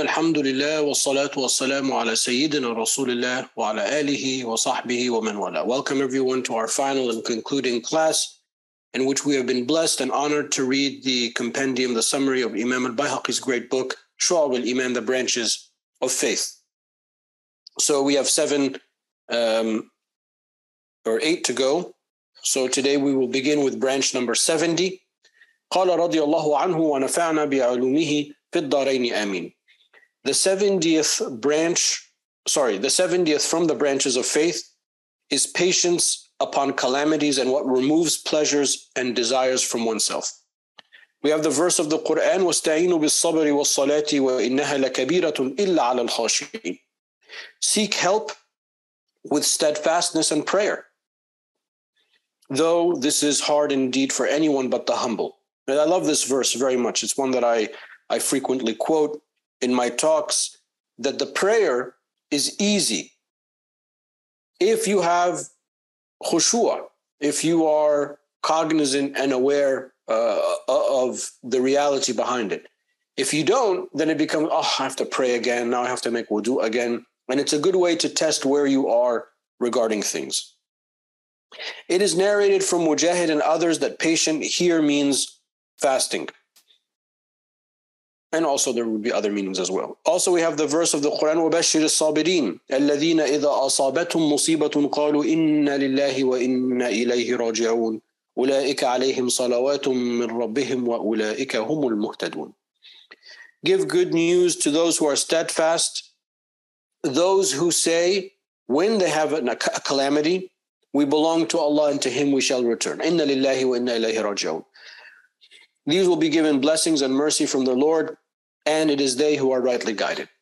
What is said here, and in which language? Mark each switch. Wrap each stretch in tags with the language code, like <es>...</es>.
<ar>الحمد لله والصلاة والسلام على سيدنا رسول الله وعلى آله وصحبه ومن والاه.</ar> <en>Welcome everyone to our final and concluding class in which we have been blessed and honored to read the compendium, the summary of Imam al-Bayhaqi's great book, Shu'ab al-Iman, The Branches of Faith. So we have seven or eight to go. So today we will begin with branch number 70.</en> <ar>قال رضي الله عنه ونفعنا بعلومه في الدارين آمين.</ar> <en>The 70th from the branches of faith is patience upon calamities and what removes pleasures and desires from oneself. We have the verse of the Quran,</en> <ar>واستعينوا بالصبر والصلاة وإنها لكبيرة إلا على الخاشعين.</ar> <en>Seek help with steadfastness and prayer, though this is hard indeed for anyone but the humble. And I love this verse very much. It's one that I frequently quote in my talks, that the prayer is easy if you have khushu'a, if you are cognizant and aware of the reality behind it. If you don't, then it becomes, oh, I have to pray again. Now I have to make wudu again. And it's a good way to test where you are regarding things. It is narrated from Mujahid and others that patient here means fasting. And also there would be other meanings as well. Also we have the verse of the Quran,</en> <ar>وَبَشِّرِ الصَّابِرِينَ الَّذِينَ إِذَا أَصَابَتْهُمْ مُصِيبَةٌ قَالُوا إِنَّا لِلَّهِ وَإِنَّا إِلَيْهِ رَاجِعُونَ أُولَٰئِكَ عَلَيْهِمْ صَلَوَاتٌ مِّن رَّبِّهِمْ وَأُولَٰئِكَ هُمُ الْمُهْتَدُونَ.</ar> <en>Give good news to those who are steadfast, those who say, when they have a calamity, we belong to Allah and to Him we shall return.</en> <ar>إِنَّا لِلَّهِ وَإِنَّا إِلَيْهِ رَاجِعُونَ.</ar> <en>These will be given blessings and mercy from the Lord, and it is they who are rightly guided.</en>